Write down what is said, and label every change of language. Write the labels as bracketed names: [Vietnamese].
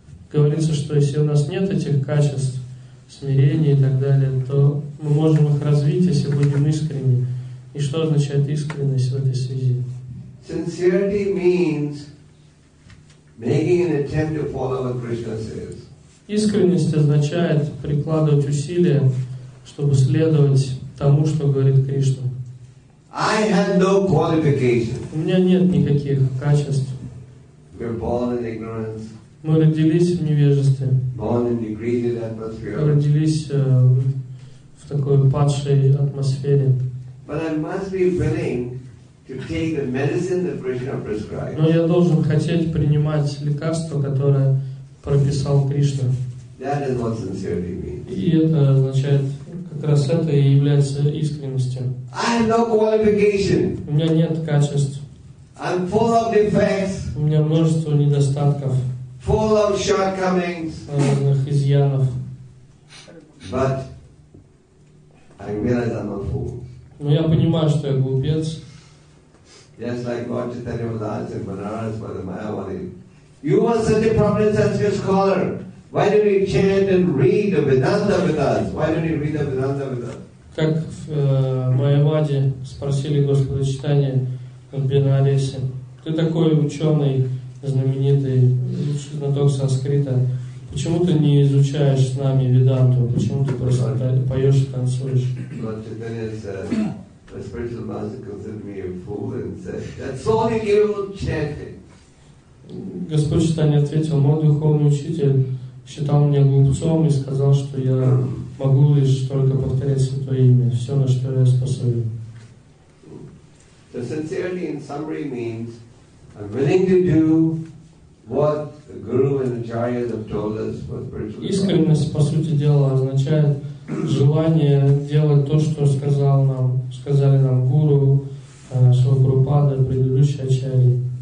[Russian] Говорится, что если у нас нет этих качеств, смирения и так далее, то мы можем их развить, если будем искренни. И что означает искренность в этой связи? [English] Sincerity means making an attempt to follow what Krishna says. [Russian] Искренность означает прикладывать усилия, чтобы следовать тому, что говорит Кришна. [English] I have no qualifications. [Russian] У меня нет никаких качеств. [English] We're born in ignorance. [Russian] Мы родились в невежестве. [English] Born in degraded atmosphere. [Russian] Родились в такой падшей атмосфере. [English] But I must be willing to take the medicine that Krishna prescribed. [Russian] Но я должен хотеть принимать лекарство, которое прописал Кришна. [English] That is what sincerity means. [Russian] И это означает, как раз это и является искренностью. [English] I have no qualification. [Russian] У меня нет качеств. [English] I'm full of defects. [Russian] У меня множество недостатков. [English] Full of shortcomings. [Russian] Разных изъянов. [English] But I realize I'm a fool. [Russian] Но я понимаю, что я глупец. [English] Just like Lord Chaitanya was asked in Banaras by the Mayavadi. You are such a prominent scholar. Why don't you chant and read the Vedanta with us? Why don't you read the Vedanta with us? [Russian] Как в Майавади спросили Господа Читания в Бенарасе. Ты такой ученый, знаменитый, знаток санскрита. Почему ты не изучаешь с нами Веданту? Почему ты просто поешь и танцуешь? [English] Lord Chaitanya said, the spiritual master considered me a fool and said, that's all you chanting. [Russian] Господь Читания ответил, мой духовный учитель считал меня глупцом и сказал, что я могу лишь только повторять святое имя, все, на что я способен. [English] So sincerity in summary means I'm willing to do what the guru and the acharyas have told us for spiritual growth. [Russian] Искренность, по сути дела, означает желание делать то, что сказали нам гуру, Шрила Прабхупада, предыдущие ачарьи.